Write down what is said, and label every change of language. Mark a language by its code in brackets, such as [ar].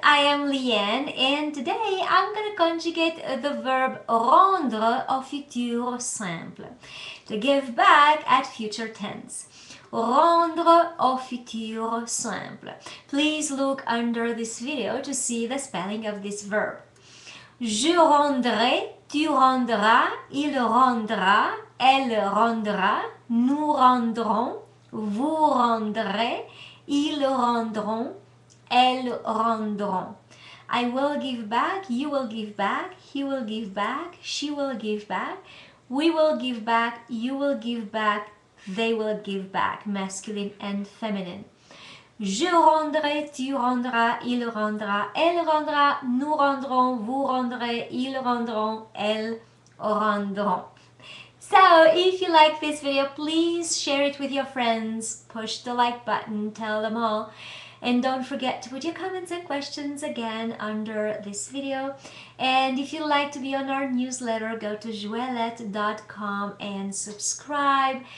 [en] I am Llyane and today I'm going to conjugate the verb [fr] rendre au futur simple, [en] to give back at future tense. [fr] Rendre au futur simple. [en] Please look under this video to see the spelling of this verb. [fr] Je rendrai, tu rendras, il rendra, elle rendra, nous rendrons, vous rendrez, ils rendront, elles rendront. [en] I will give back, you will give back, he will give back, she will give back, we will give back, you will give back, they will give back, masculine and feminine. [fr] Je rendrai, tu rendras, il rendra, elle rendra, nous rendrons, vous rendrez, ils rendront, elles rendront. [en] So, if you like this video, please share it with your friends, push the like button, tell them all, and don't forget to put your comments and questions again under this video. And if you'd like to be on our newsletter, go to joëlette.com and subscribe.